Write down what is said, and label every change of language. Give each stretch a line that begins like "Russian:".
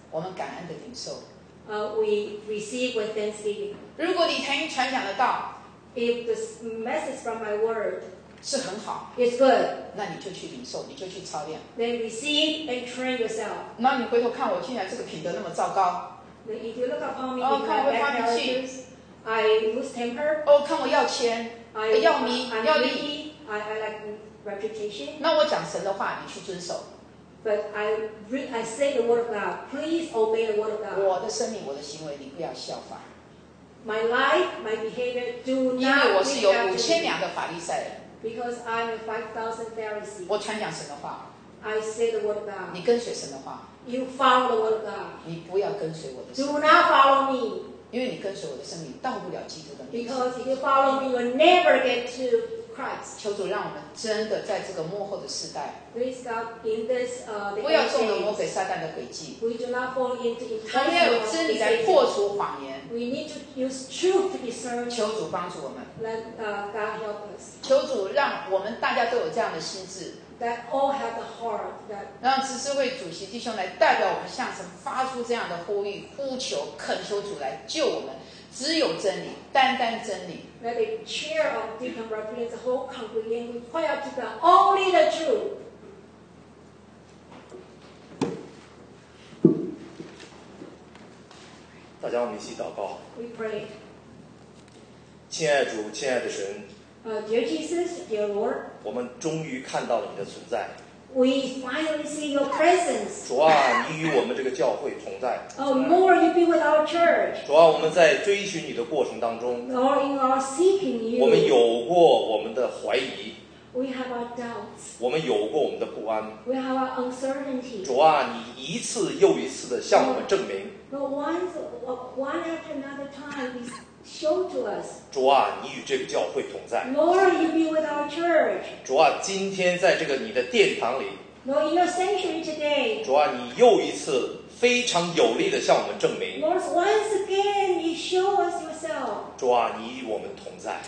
Chinese: 我们感恩的领受。
English: We receive with thanksgiving.
Chinese: 如果你听传讲的道，
English: If the message from my word
Chinese: 是很好，
English: It's good.
Chinese: 那你就去领受，你就去操练。
English: Then receive and train yourself.
Chinese: 那你回头看我，竟然这个品德那么糟糕。
English: Then if you look upon me, oh, in my bad attitudes, I lose temper.
Chinese: 哦，看我要钱， 要名，要利。
English: I like reputation.
Chinese: 那我讲神的话，你去遵守。
English: But I say the word of God. Please obey the word of God.
Chinese: 我的生命，我的行为，你不要效法。
English: My life, my behavior, do not.
Chinese: 因为我是有五千两的法利赛人。
English: Because I'm a 5,000 Pharisee.
Chinese: 我传讲神的话。
English: I say the word of God.
Chinese: 你跟随神的话。
English: You follow the word of God.
Chinese: 你不要跟随我的生命。
English: Do not follow me.
Chinese: 因为你跟随我的生命，到不了基督的面前。
English: Because if you follow me, you'll never get to Christ.
Chinese: 求主让我们真的在这个末后的时代，
English: Please God, in this,
Chinese: 不要中了魔鬼撒旦的诡计。
English: We do not fall into enticing.
Chinese: 我们要有真理来破除谎言。
English: We need to use truth to discern.
Chinese: 求主帮助我们。
English: Let God help us.
Chinese: 求主让我们大家都有这样的心智。
English: That all have the heart. That
Chinese: 让执事会主席弟兄来代表我们向神发出这样的呼吁、呼求、恳求主来救我们。只有真理，单单真理。
English: Let the chair of the deacon represent the whole congregation. Cry out to God, only the truth. Let's all pray together. We pray.
Chinese: 亲爱主，亲爱的神。
English: Dear Jesus, dear Lord.
Chinese: 我们终于看到了你的存在。
English: We finally see your presence.
Chinese: 主啊，你与我们这个教会同在。
English: Lord, you be with our church.
Chinese: 主啊，我们在追寻你的过程当中。
English: Lord, in our seeking you.
Chinese: 我们有过我们的怀疑。
English: We have our doubts.
Chinese: 我们有过我们的不安。
English: We have our uncertainty.
Chinese: 主啊，你一次又一次的向我们证明。
English: But one after another time, show to us.
Chinese: 主啊，你与这个教会同在。
English: Lord, you be with our church.
Chinese: 主啊，今天在这个你的殿堂里。
English: Lord, in your sanctuary today.
Chinese: 主啊，你又一次非常有力的向我们证明。
English: Lord, once again, you show us yourself.
Chinese: 主啊，你与我们同在。